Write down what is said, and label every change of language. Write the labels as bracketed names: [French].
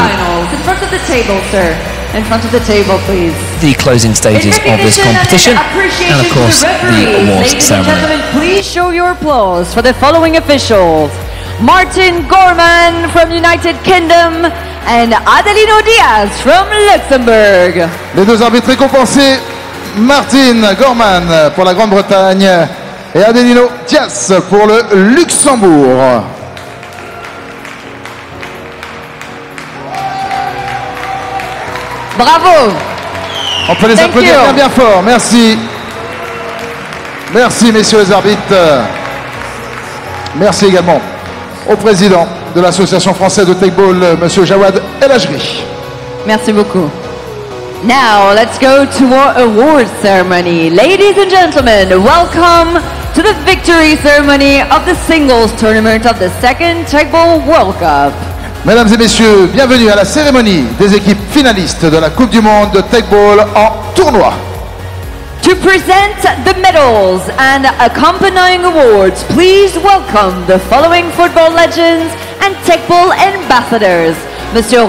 [English] In front of the table, sir. In front of the table, please. The closing stages of this competition, and of course the awards ceremony. Please show your applause for the following officials: Martin Gorman from United Kingdom. And Adelino Diaz from Luxembourg. [French] Les deux arbitres récompensés, Martin Gorman pour la Grande-Bretagne et Adelino Diaz pour le Luxembourg. Bravo. On peut les [English] Thank [French] applaudir [English] you. [French] Bien bien fort, merci. Merci messieurs les arbitres. Merci également au président de l'Association française de Teqball, Monsieur Jawad El Hajoui. Merci beaucoup. [English] Now, let's go to our award ceremony. Ladies and gentlemen, welcome to the victory ceremony of the singles tournament of the second Teqball World Cup. [French] Mesdames et messieurs, bienvenue à la cérémonie des équipes finalistes de la Coupe du Monde de Teqball en tournoi. [English] To present the medals and accompanying awards, please welcome the following football legends and Teqball ambassadors, Mr.